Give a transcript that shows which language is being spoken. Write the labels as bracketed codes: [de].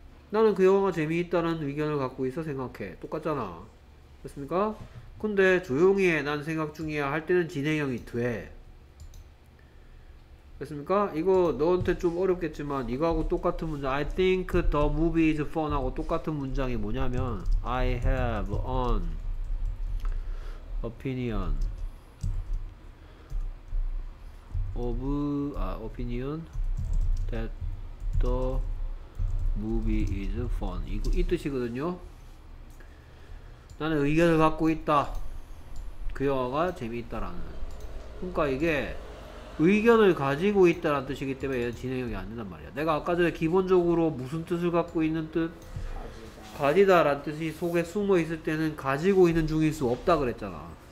[ko] 나는 그 영화가 재미있다는 의견을 갖고 있어 생각해. 똑같잖아. 그렇습니까? 근데 조용히 해. 난 생각 중이야. 할 때는 진행형이 돼. 그렇습니까? 이거 너한테 좀 어렵겠지만 이거하고 똑같은 문장. [en] I think the movie is fun하고 [ko] 똑같은 문장이 뭐냐면 [en] I have an opinion opinion that the movie is fun. [ko] 이거 이 뜻이거든요. 나는 의견을 갖고 있다. 그 영화가 재미있다라는. 그러니까 이게 의견을 가지고 있다라는 뜻이기 때문에 얘는 진행형이 안 된단 말이야. 내가 아까 전에 기본적으로 무슨 뜻을 갖고 있는 뜻? 가지다라는 뜻이 속에 숨어 있을 때는 가지고 있는 중일 수 없다 그랬잖아.